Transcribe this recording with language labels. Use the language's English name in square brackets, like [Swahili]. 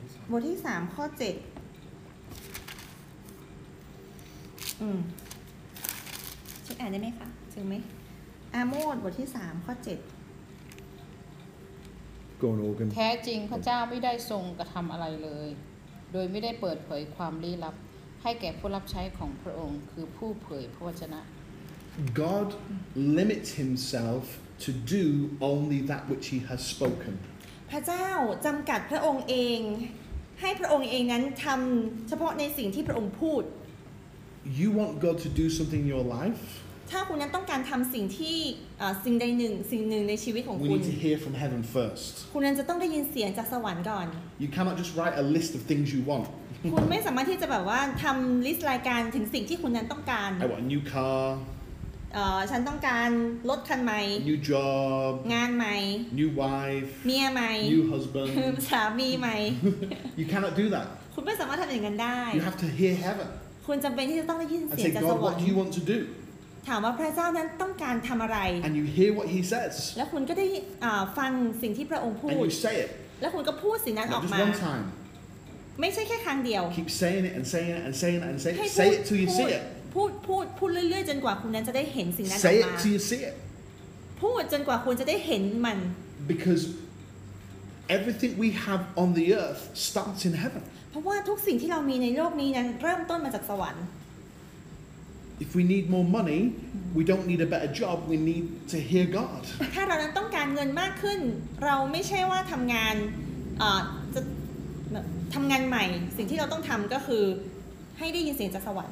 [Thai] บทที่3ข้อ7ช่วยอ่านได้ไหมคะถึงไหมอาโมสบทที่3ข้อ7 [English] Go on, Organ. [Thai] แท้จริงพระเจ้าไม่ได้ทรงกระทำอะไรเลยโดยไม่ได้เปิดเผยความลี้ลับให้แก่ผู้รับใช้ของพระองค์คือผู้เผยพระวจนะ [English] God limits himself to do only that which he has spoken. [Thai] พระเจ้าจำกัดพระองค์เองให้พระองค์เองนั้นทำเฉพาะในสิ่งที่พระองค์พูด [English] You want God to do something in your life? [Thai] ถ้าคุณนั้นต้องการทำสิ่งที่สิ่งใดหนึ่งสิ่งหนึ่งในชีวิตของคุ ณ [English] We need to hear from heaven first. [Thai] คุณนั้นจะต้องได้ยินเสียงจากสวรรค์ก่อน [English] You cannot just write a list of things you want. [Thai] คุณไม่สามารถที่จะแบบว่าทำลิสต์รายการถึงสิ่งที่คุณนั้นต้องการ [English] I want a new car. [Thai] ฉันต้องการรถคันใหม่ [English] new job [Thai] งานใหม่ [English] new wife [Thai] เมียใหม่ [English] new husband [Thai] สามีใหม่ [English] you cannot do that [Thai] คุณไม่สามารถทำอย่างนั้นได้ [English] you have to hear heaven [Thai] คุณจำเป็นที่จะต้องได้ยินเสียงจากสวรรค์ [English] and say God what do you want to do [Thai] ถามว่าพระเจ้านั้นต้องการทำอะไร [English] and you hear what he says [Thai] แล้วคุณก็ได้ฟังสิ่งที่พระองค์พูด [English] and you say it [Thai] แล้วคุณก็พูดสิ่งนั้นออกมาไม่ใช่แค่ครั้งเดียว [English] keep saying it and saying it and saying it and say it say it till you see it [Thai] พูดเรื่อยๆจนกว่าคุณนั้นจะได้เห็นสิ่งนั้นออกมา [English] Say it till you see it [Thai] พูดจนกว่าคุณจะได้เห็นมัน [English] Because everything we have on the earth starts in heaven [Thai] เพราะว่าทุกสิ่งที่เรามีในโลกนี้นั้นเริ่มต้นมาจากสวรรค์ [English] If we need more money we don't need a better job we need to hear God [Thai] ถ้าเรานั้นต้องการเงินมากขึ้นเราไม่ใช่ว่าทำงานจะทำงานใหม่สิ่งที่เราต้องทำก็คือให้ได้ยินเสียงจากสวรรค